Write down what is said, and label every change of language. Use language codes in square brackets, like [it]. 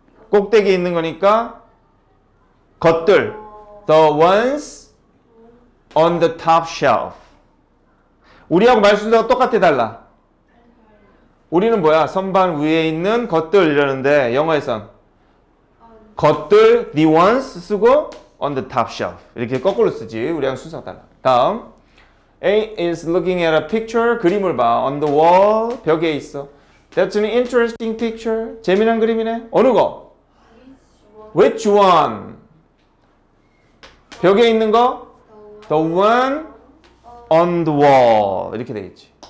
[ko] 꼭대기에 있는 거니까 것들. [en] The ones on the top shelf. [ko] 우리하고 말 순서가 똑같아 달라. 우리는 뭐야? 선반 위에 있는 것들 이러는데 영어에선 것들, the ones 쓰고 [en] on the top shelf [ko] 이렇게 거꾸로 쓰지. 우리랑 순서가 달라. 다음 [en] A is looking at a picture. [ko] 그림을 봐. [en] On the wall [ko] 벽에 있어. [en] That's an interesting picture. [ko] 재미난 그림이네. 어느 거? [en] Which one? [ko] 벽에 있는 거? [en] The The one on the wall. [ko] 이렇게 되겠지.